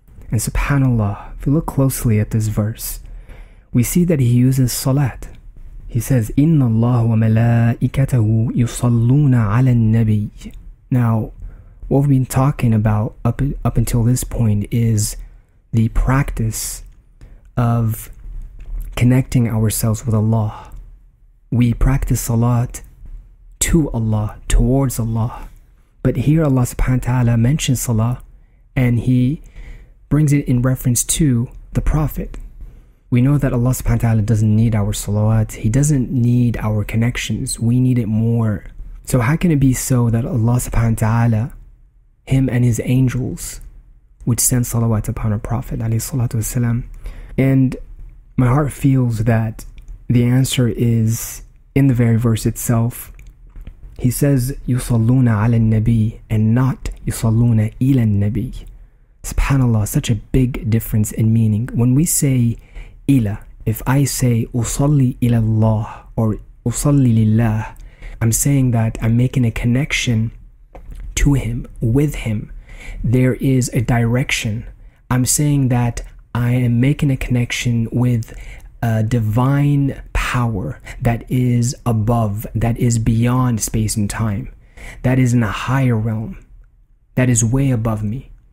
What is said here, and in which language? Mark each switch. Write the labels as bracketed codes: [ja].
[en] And subhanallah, if you look closely at this verse, we see that he uses salat. He says, [ar] إِنَّ اللَّهُ وَمَلَائِكَتَهُ يُصَلُّونَ عَلَى النَّبِيِّ. [en] Now, what we've been talking about up until this point is the practice of connecting ourselves with Allah. We practice salat to Allah, towards Allah. But here Allah subhanahu wa ta'ala mentions salah and he brings it in reference to the Prophet. We know that Allah subhanahu wa ta'ala doesn't need our salawat. He doesn't need our connections. We need it more. So how can it be so that Allah subhanahu wa ta'ala, him and his angels, would send salawat upon our Prophet alayhi salatu wasalam? And my heart feels that the answer is in the very verse itself. He says, [ar] يُصَلُّونَ عَلَى النَّبِيِّ [en] and not [ar] يُصَلُّونَ إِلَى النَّبِيِّ. [en] SubhanAllah, such a big difference in meaning. When we say إِلَى, if I say [ar] أُصَلِّي إِلَى اللَّهِ [en] or [ar] أُصَلِّي لِلَّهِ, [en] I'm saying that I'm making a connection to him, with him. There is a direction. I'm saying that I am making a connection with a divine power that is above, that is beyond space and time, that is in a higher realm, that is way above me.